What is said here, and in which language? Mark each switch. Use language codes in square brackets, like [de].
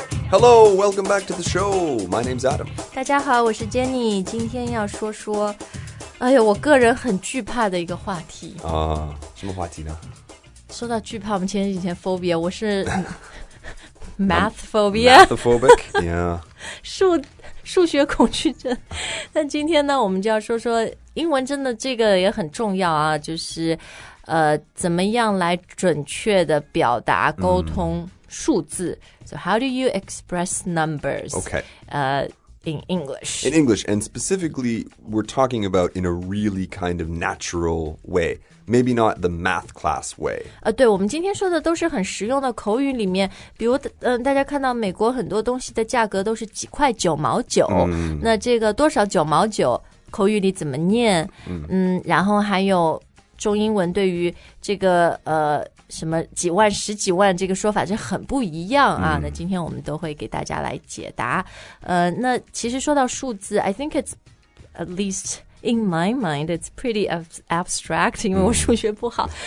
[en] Hello, welcome back to the show. My name's Adam. [zh] 大家好，我是 Jenny. 今天要说说，哎呀，我个人很惧怕的一个话题啊。什么话题呢？说到惧怕，我们前几天 phobia， 我是math phobia， [en] math phobic， yeah， [zh] 数学恐惧症。那今天呢，我们就要说说英文，真的这个也很重要啊，就是怎么样来准确的表达沟通数字。 [en] So how do you express numbers? Okay. In English. In English, and specifically, we're talking about in a really kind of natural way. Maybe not the math class way. [zh] 对，我们今天说的都是很实用的口语里面，比如大家看到美国很多东西的价格都是几块九毛九，那这个多少九毛九，口语里怎么念？然后还有中英文对于这个什么几万十几万这个说法就很不一样啊。那今天我们都会给大家来解答。那其实说到数字， [en] I think it's at least in my mind it's pretty abstract, [zh] 因为我数学不好。